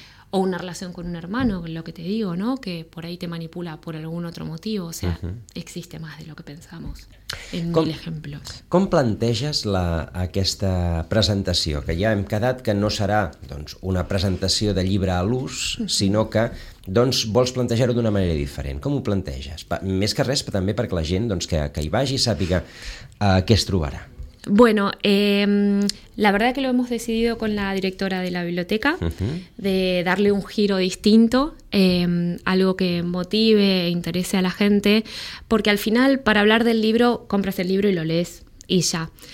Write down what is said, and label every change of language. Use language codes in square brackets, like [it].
[es] o una relación con un hermano, lo que te digo, ¿no? Que por ahí te manipula por algún otro motivo, o sea, existe más de lo que pensamos. En com, mil ejemplos. [ca] Com planteges la, aquesta presentació? Que ja hem quedat que no serà doncs, una presentació de llibre a l'ús, sinó que doncs, vols plantejar-ho d'una manera diferent. Com ho planteges? Més que res, també perquè la gent doncs, que hi vagi sàpiga què es trobarà. [es] Bueno, la verdad que lo hemos decidido con la directora de la biblioteca de darle un giro distinto, algo que motive e interese a la gente, porque al final para hablar del libro compras el libro y lo lees y ya.